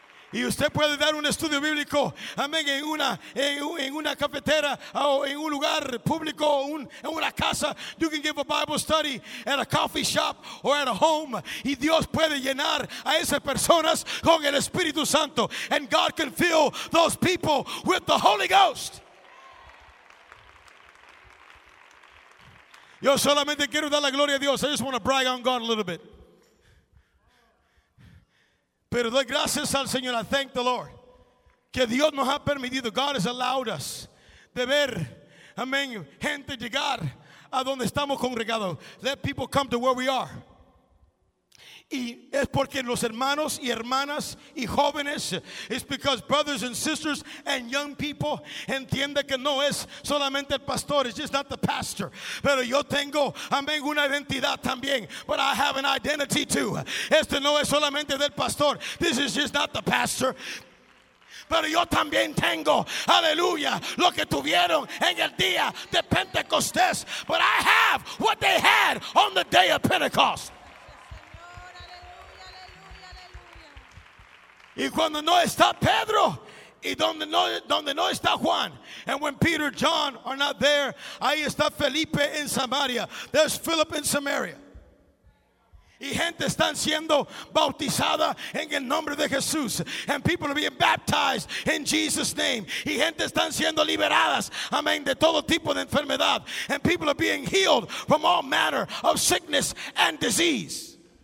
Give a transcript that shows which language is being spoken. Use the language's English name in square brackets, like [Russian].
[Spanish] Y usted puede dar un estudio bíblico, amén, en una cafetera o en un lugar público, en una casa. [English] You can give a Bible study at a coffee shop or at a home. [Spanish] Y Dios puede llenar a esas personas con el Espíritu Santo. [English] And God can fill those people with the Holy Ghost. [Spanish] Yo solamente quiero dar la gloria a Dios. [English] I just want to brag on God a little bit. [Spanish] Pero doy gracias al Señor, [English] I thank the Lord, [Spanish] que Dios nos ha permitido, [English] God has allowed us, [Spanish] de ver, amén, gente llegar a donde estamos congregados. [English] Let people come to where we are. [Spanish] Y es porque los hermanos y hermanas y jóvenes, [English] it's because brothers and sisters and young people [Spanish] entiende que no es solamente el pastor, [English] it's just not the pastor. [Spanish] Pero yo tengo, amén, una identidad también. [English] But I have an identity too. [Spanish] Este no es solamente del pastor. [English] This is just not the pastor. [Spanish] Pero yo también tengo, aleluya, lo que tuvieron en el día de Pentecostés. [English] But I have what they had on the day of Pentecost. [Spanish] Y cuando no está Pedro, y donde no está Juan. [English] And when Peter, John are not there, [Spanish] ahí está Felipe en Samaria. [English] There's Philip in Samaria. [Spanish] Y gente están siendo bautizada en el nombre de Jesús. [English] And people are being baptized in Jesus' name. [Spanish] Y gente están siendo liberadas, amén, de todo tipo de enfermedad. [English] And people are being healed from all manner of sickness and disease.